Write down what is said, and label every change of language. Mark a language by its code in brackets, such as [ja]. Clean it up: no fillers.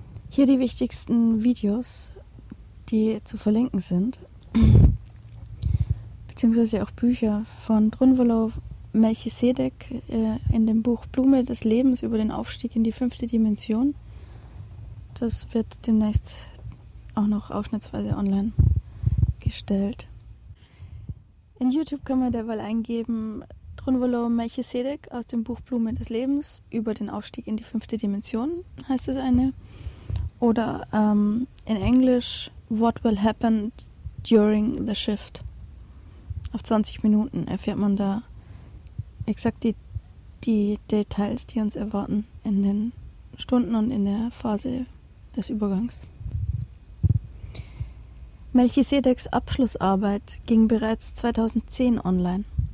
[de] Hier die wichtigsten Videos, die zu verlinken sind, beziehungsweise auch Bücher von Drunvalo Melchisedek in dem Buch Blume des Lebens über den Aufstieg in die 5. Dimension. Das wird demnächst auch noch ausschnittsweise online gestellt. In YouTube kann man derweil eingeben, Drunvalo Melchisedek aus dem Buch Blume des Lebens über den Aufstieg in die 5. Dimension, heißt es eine. Oder in Englisch, [en] What will happen during the shift? [de] Auf 20 Minuten erfährt man da exakt die Details, die uns erwarten in den Stunden und in der Phase des Übergangs. Melchisedeks Abschlussarbeit ging bereits 2010 online.